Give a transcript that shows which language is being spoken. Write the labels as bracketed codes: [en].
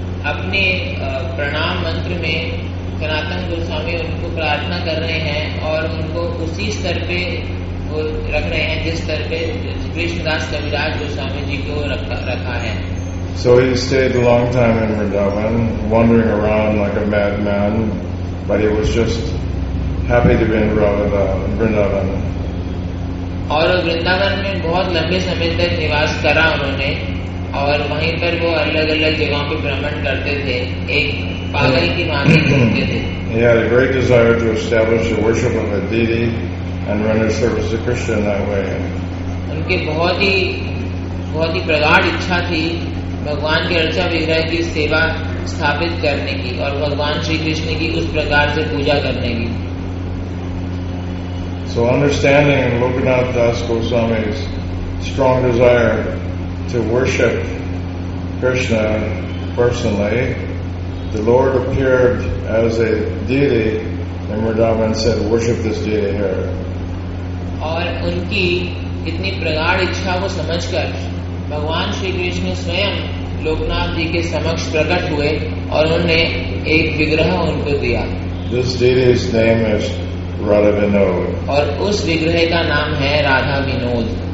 [hi] अपने प्रणाम मंत्र में सनातन गोस्वामी उनको प्रार्थना कर रहे हैं और उनको उसी स्तर पे रख रहे हैं जिस स्तर पे कृष्णदास कविराज गोस्वामी जी को रखा है. [en] So he stayed a long time in Vrindavan, wandering around like a madman, but he was just happy to be in Vrindavan. [hi] और वृंदावन में बहुत लंबे समय तक निवास करा उन्होंने और वहीं पर वो अलग अलग जगहों पे भ्रमण करते थे एक पागल की भांति घूमते थे. [en] He had a great desire to establish the worship of a deity and render service to Krishna in that way. [hi] उनके बहुत ही प्रगाढ़ इच्छा थी भगवान के अर्चा विग्रह की सेवा स्थापित करने की और भगवान श्री कृष्ण की उस प्रकार से पूजा करने की. [en] So understanding Lokanath Das Goswami's strong desire to worship Krishna personally, the Lord appeared as a deity in Vrindavan and said, worship this deity here. [hi] और उनकी इतनी प्रगाढ़ इच्छा को समझकर भगवान श्री कृष्ण स्वयं लोकनाथ जी के समक्ष प्रकट हुए और उन्होंने एक विग्रह उनको दिया। [en] This deity's name is Radha Vinod. [hi] और उस विग्रह का नाम है राधा विनोद।